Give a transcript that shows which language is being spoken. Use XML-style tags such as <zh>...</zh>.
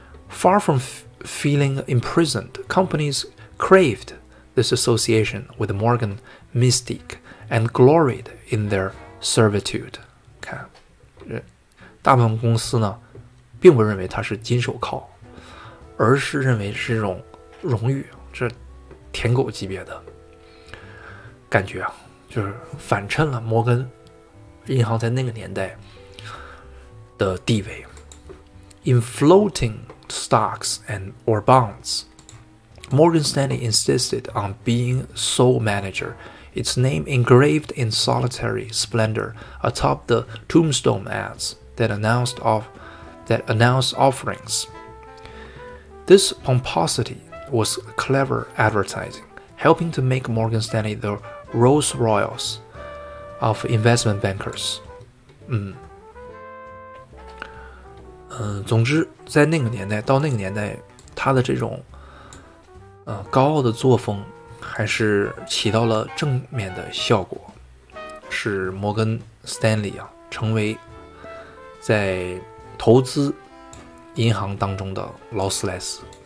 <en>Far from feeling imprisoned, companies craved this association with Morgan Mystique and gloried in their servitude.</en> <zh>看，大部分公司呢并不认为它是金手铐，而是认为是一种荣誉，这舔狗级别的感觉啊，就是反衬了摩根银行在那个年代的地位。</zh> <en>In floating stocks and or bonds, Morgan Stanley insisted on being sole manager, its name engraved in solitary splendor atop the tombstone ads that announced offerings. This pomposity was clever advertising, helping to make Morgan Stanley the Rolls Royce of investment bankers.</en> <zh>总之在那个年代，到那个年代他的这种高傲的作风还是起到了正面的效果，使摩根斯坦利啊成为在投资银行当中的劳斯莱斯。</zh>